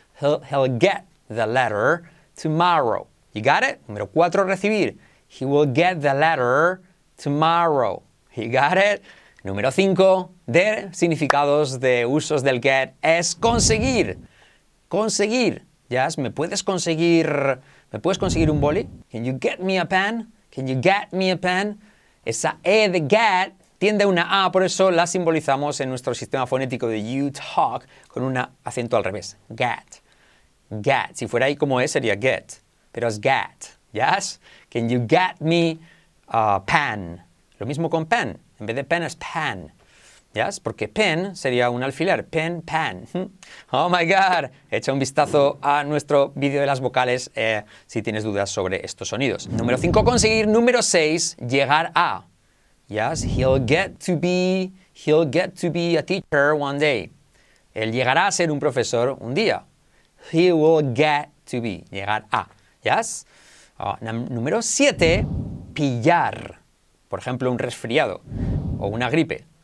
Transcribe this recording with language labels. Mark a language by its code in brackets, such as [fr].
[en] He'll get the letter tomorrow. You got it? [es] Número 4, recibir. [en] He will get the letter tomorrow. You got it? [es] Número 5 de significados de usos del get es conseguir. Conseguir. [en] Yes, [es] ¿me puedes conseguir un boli? [en] Can you get me a pen? Can you get me a pen? [es] Esa E de get tiende a una A, por eso la simbolizamos en nuestro sistema fonético de you talk con un acento al revés. Get. Get. Si fuera ahí como E sería get. Pero es get. [en] Yes? Can you get me a pen? [es] Lo mismo con pen. En vez de pen es pan. ¿Yes? Porque pen sería un alfiler. Pen, pan. [en] Oh my God. [es] Echa un vistazo a nuestro vídeo de las vocales si tienes dudas sobre estos sonidos. Número 5, conseguir. Número 6, llegar a. ¿Yes? [en] He'll get to be a teacher one day. [es] Él llegará a ser un profesor un día. [en] He will get to be. [es] Llegar a. ¿Yes? Número 7, pillar. Por ejemplo, un resfriado o una gripe.